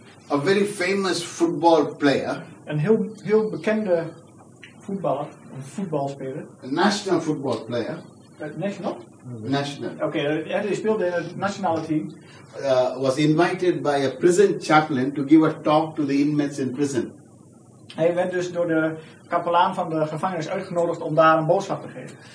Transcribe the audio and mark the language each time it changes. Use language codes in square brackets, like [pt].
[en] A very famous football player. [nl] Een heel bekende voetballer, een voetbalspeler. [en] Een national football player. National? National. [nl] Oké, hij speelde in het nationale team. [en] Was invited by a prison chaplain to give a talk to the inmates in prison. [nl] Hij werd dus door de kapelaan van de gevangenis uitgenodigd om daar een boodschap te geven.